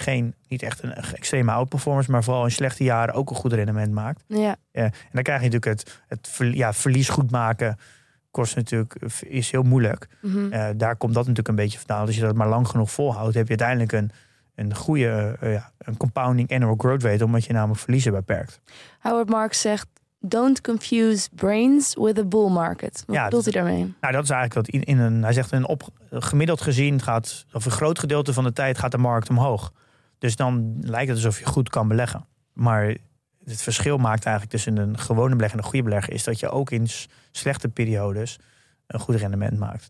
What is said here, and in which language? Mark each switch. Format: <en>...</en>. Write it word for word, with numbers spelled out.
<nl>Geen, niet echt een extreme outperformance, maar vooral in slechte jaren ook een goed rendement maakt. Ja. Ja, en dan krijg je natuurlijk het, het ver, ja, verlies goed maken. Kost natuurlijk, is heel moeilijk. Mm-hmm. Uh, daar komt dat natuurlijk een beetje vandaan. Als je dat maar lang genoeg volhoudt, heb je uiteindelijk een, een goede uh, ja, een compounding annual growth rate, omdat je namelijk verliezen beperkt.</nl> <en>Howard Marks</en> <nl>zegt,</nl> <en>don't confuse brains with a bull market.</en> <nl>Wat ja, bedoelt hij daarmee? Nou, dat is eigenlijk dat in, in een, hij zegt, een op, gemiddeld gezien gaat, of een groot gedeelte van de tijd gaat de markt omhoog. Dus dan lijkt het alsof je goed kan beleggen. Maar het verschil maakt eigenlijk tussen een gewone belegger en een goede belegger is dat je ook in slechte periodes een goed rendement maakt.</nl>